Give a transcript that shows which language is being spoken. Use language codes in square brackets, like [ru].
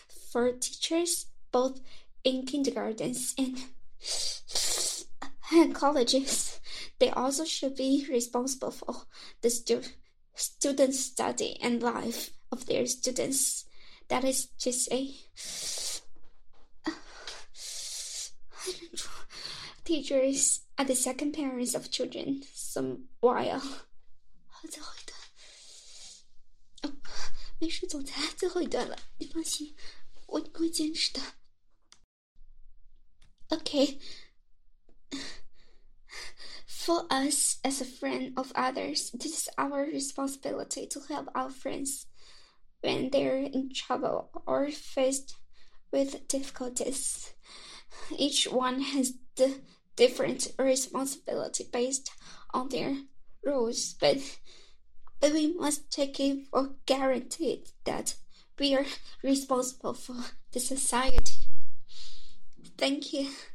[en] For teachers, both in kindergartens andAnd colleges, they also should be responsible for the student study and life of their students. That is to say, teachers are the second parents of children. Some while. [zh] 好，最后一段。没事，总裁，最后一段了，你放心，我会坚持的。 [en] Okay. For us, as a friend of others, it is our responsibility to help our friends when they're in trouble or faced with difficulties. Each one has the different responsibility based on their roles, but we must take it for granted that we are responsible for the society. Thank you.